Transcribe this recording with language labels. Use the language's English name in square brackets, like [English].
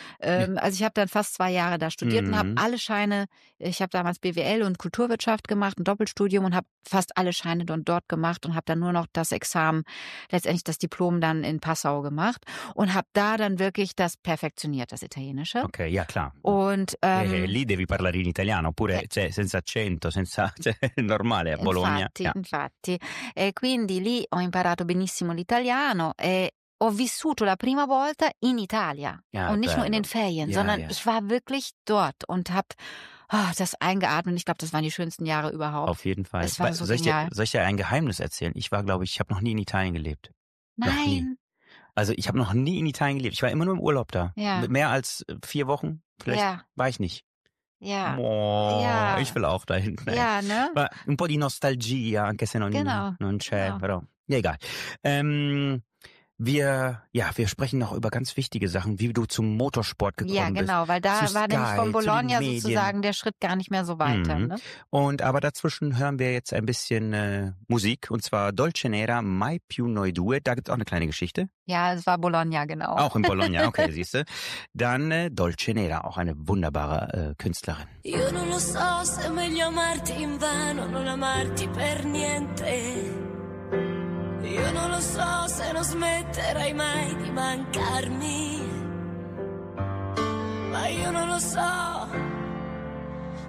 [German] Also ich habe dann fast 2 Jahre da studiert und habe alle Scheine, ich habe damals BWL und Kulturwirtschaft gemacht, ein Doppelstudium und habe fast alle Scheine dort gemacht und habe dann nur noch das Examen, letztendlich das Diplom dann in Passau gemacht und habe da dann wirklich das perfektioniert, das Italienische. Okay, ja klar. Und [Italian] lì devi parlare in italiano, oppure cioè, senza accento, senza, cioè, normale a Bologna. Infatti. E quindi lì ho imparato benissimo l'italiano e ho vissuto la prima volta in Italia. [German] Ja, und nicht nur in den Ferien, sondern ich war wirklich dort und habe das eingeatmet. Ich glaube, das waren die schönsten Jahre überhaupt. Auf jeden Fall. Es war so genial. Soll ich dir ein Geheimnis erzählen? Ich war, glaube ich, habe noch nie in Italien gelebt. Nein. Also ich habe noch nie in Italien gelebt. Ich war immer nur im Urlaub da. Ja. Mehr als 4 Wochen vielleicht war ich nicht. Ja. Boah, ja. Ich will auch da hinten. Ja, ne? [Italian] Aber un po' di nostalgia, anche se non c'è, però. [German] Ja, egal. Wir sprechen noch über ganz wichtige Sachen, wie du zum Motorsport gekommen bist. Ja, genau, weil da war nämlich von Bologna sozusagen der Schritt gar nicht mehr so weiter. Mhm. Ne? Aber dazwischen hören wir jetzt ein bisschen Musik, und zwar Dolce Nera, Mai più noi due. Da gibt's auch eine kleine Geschichte. Ja, es war Bologna, genau. Auch in Bologna, okay, siehst du. Dann Dolce Nera, auch eine wunderbare Künstlerin. [Italian] Io non lo so se meglio amarti in vano, non amarti per niente. Io non lo so se non smetterai mai di mancarmi, ma io non lo so,